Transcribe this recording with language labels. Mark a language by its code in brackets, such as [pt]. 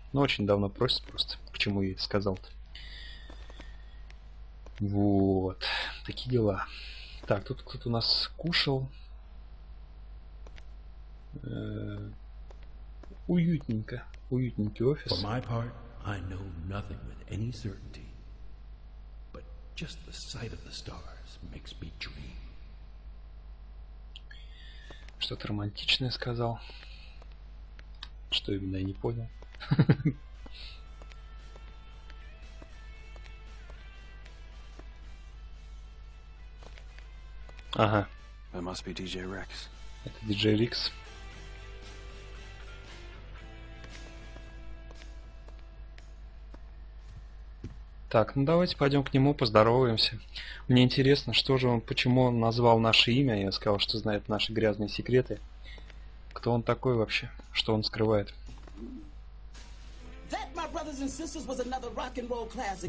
[ru] Но очень давно просит просто, к чему я это сказал-то. Вот, такие дела. Так, тут кто-то у нас кушал. Уютненько, уютненький офис. [en] For my part, I know nothing with any certainty. But just the sight of the stars makes me dream. [ru] Что-то романтичное сказал. Что именно, я не понял. Ага. [en] That must be DJ Rex. [ru] Это [en] DJ Rex. [ru] Так, ну давайте пойдем к нему, поздороваемся. Мне интересно, что же он, почему он назвал наше имя, я сказал, что знает наши грязные секреты. Кто он такой вообще? Что он скрывает? [en] That, my brothers and sisters, was another rock and roll classic.